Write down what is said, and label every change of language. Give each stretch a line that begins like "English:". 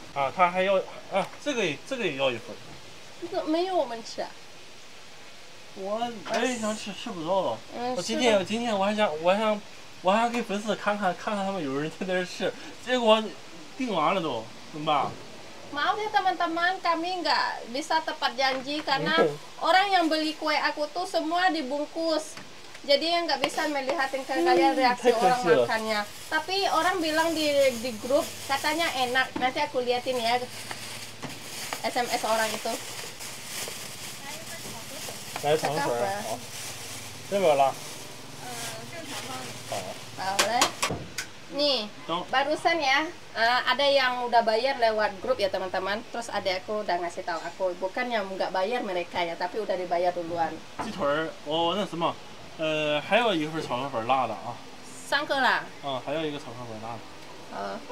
Chinese: 啊，他还要啊，这个也要一份。你怎么没有我们吃、啊？我也想吃不到了。嗯，我今天我还想给粉丝看看他们有人在那吃，结果订完了都，怎么办？
Indonesian: Maaf ya teman-teman, kami enggak bisa tepat janji karena orang yang beli kue aku tuh semua dibungkus. Jadi yang enggak bisa melihatin ke kalian reaksi orang makannya. Tapi orang bilang di grup katanya enak. Nanti aku liatin ya SMS orang itu. Saya mau coba. Saya mau lah. Boleh. Nih, barusan ya ada yang udah bayar lewat grup ya teman-teman. Terus adek aku udah ngasih tahu aku, bukan yang nggak bayar mereka ya, tapi udah dibayar duluan.
Chinese: 鸡腿儿，哦，那什么，还有一份炒河粉辣的啊。三个啦。啊，还有一个炒河粉辣的。